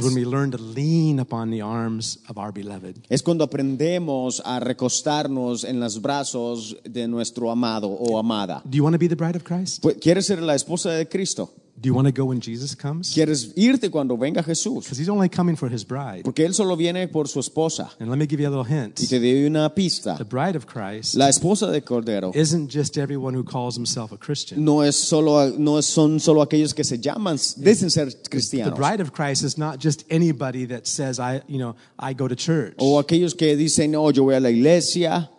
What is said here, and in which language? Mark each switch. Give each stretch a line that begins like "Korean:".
English: Is when we learn to lean upon the arms of our beloved.
Spanish: Es cuando aprendemos a recostarnos en los brazos de nuestro amado o amada.
English: Do you want to be the bride of Christ?
Spanish: ¿Quieres ser la esposa de Cristo?
English: Do you want to go when Jesus comes?
Spanish: ¿Quieres irte cuando venga Jesús?
English: Because he's only coming for his bride.
Spanish: Porque él solo viene por su esposa.
English: And let me give you a little hint.
Spanish: Y te doy una pista.
English: The bride of Christ.
Spanish: La esposa del Cordero.
English: Isn't just everyone who calls himself a Christian.
Spanish: No son solo aquellos que se llaman, dicen ser cristianos.
English: The bride of Christ is not just anybody that says I go to church.
Spanish: O aquellos que dicen, no, yo voy a la iglesia.